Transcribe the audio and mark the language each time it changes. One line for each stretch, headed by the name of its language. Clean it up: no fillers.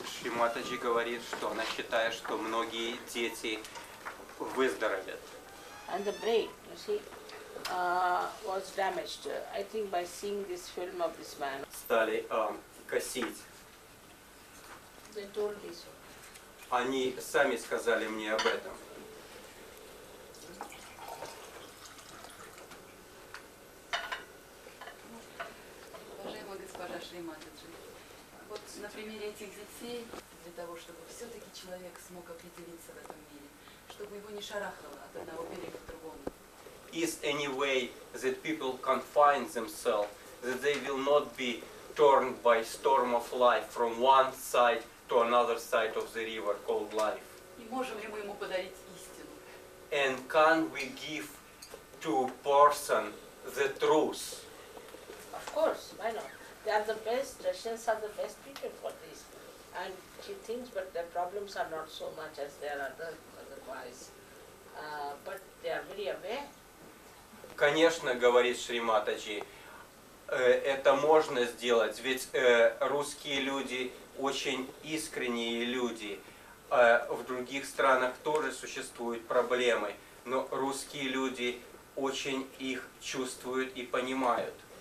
Russian: Матаджи говорит, что она считает, что многие дети выздоровят.
English: And the brain, you see, was damaged. I think by seeing this film of this man.
Russian: Стали косить.
English: They told me so.
Russian: Они сами сказали мне об этом. Уважаемая госпожа Шри Матаджи, вот на примере этих детей. Для того, чтобы все-таки человек смог определиться в этом мире, чтобы его не шарахало от одного берега к другому.
English: Is any way that people can find themselves, that they will not be torn by storm of life from one side to another side of the river called life?
Russian: И можем ли мы ему подарить истину?
English: And can we give to person the truth? Of course, why not? They are the best, Russians are the best people for this. And she thinks, but their problems are not so much as their otherwise. But they are very aware.
Russian: Конечно, говорит Шри Матаджи, это можно сделать, ведь русские люди очень искренние люди. В других странах тоже существуют проблемы, но русские люди очень их чувствуют и понимают.